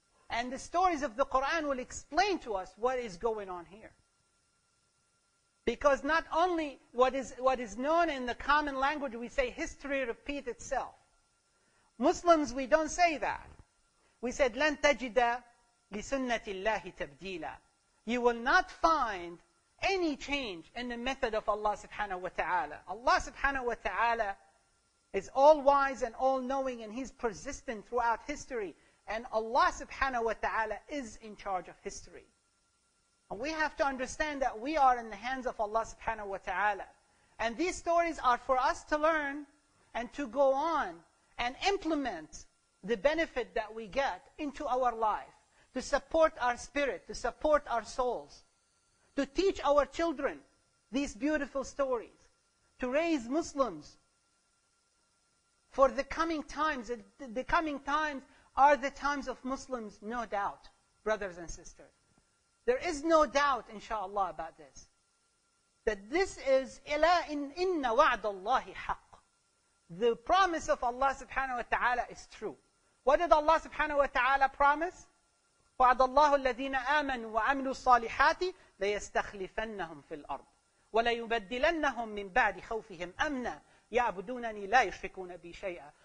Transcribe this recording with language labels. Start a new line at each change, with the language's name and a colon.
English: And the stories of the Quran will explain to us what is going on here. Because not only what is known in the common language, we say history repeats itself. Muslims, we don't say that. We said,
Arabic: لَن تَجِدَ لِسُنَّةِ اللَّهِ تَبْدِيلًا.
English: You will not find any change in the method of Allah subhanahu wa ta'ala. Allah subhanahu wa ta'ala is all wise and all knowing, and He's persistent throughout history. And Allah subhanahu wa ta'ala is in charge of history. And we have to understand that we are in the hands of Allah subhanahu wa ta'ala. And these stories are for us to learn and to go on and implement the benefit that we get into our life, to support our spirit, to support our souls, to teach our children these beautiful stories, to raise Muslims for the coming times. The coming times are the times of Muslims, no doubt, brothers and sisters. There is no doubt, inshallah, about this. That this is,
Arabic: إِلَىٰ إِنَّ وَعْدَ اللَّهِ حَقٍّ.
English: The promise of Allah subhanahu wa ta'ala is true. What did Allah subhanahu wa ta'ala promise?
Arabic: وَعْدَ اللَّهُ الَّذِينَ آمَنُوا وَعَمِلُوا الصَّالِحَاتِ لَيَسْتَخْلِفَنَّهُمْ فِي الْأَرْضِ وَلَيُبَدِّلَنَّهُمْ مِنْ بَعْدِ خَوْفِهِمْ أَمْنًا يَعْبُدُونَنِي لَا يُشْرِكُونَ بِي شَيْئًا.